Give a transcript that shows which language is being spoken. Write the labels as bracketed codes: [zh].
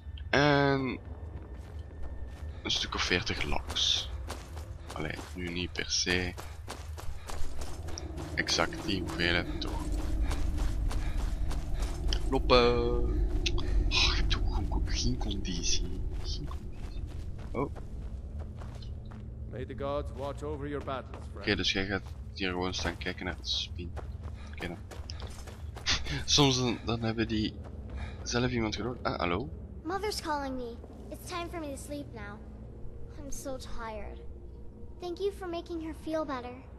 [nl] En een stuk of 40 locks. Allee, nu niet per se exact die hoeveelheid toch. Lopen! Oh, ik heb toch geen conditie. Oh. [en] May the gods watch over your battles, friend. [nl] Oké, dus jij gaat hier gewoon staan kijken naar de spin. Oké dan. Soms dan hebben die zelf iemand gehoord. Ah, hallo? [en] Mother's calling me. It's time for me to sleep now. I'm so tired. Thank you for making her feel better.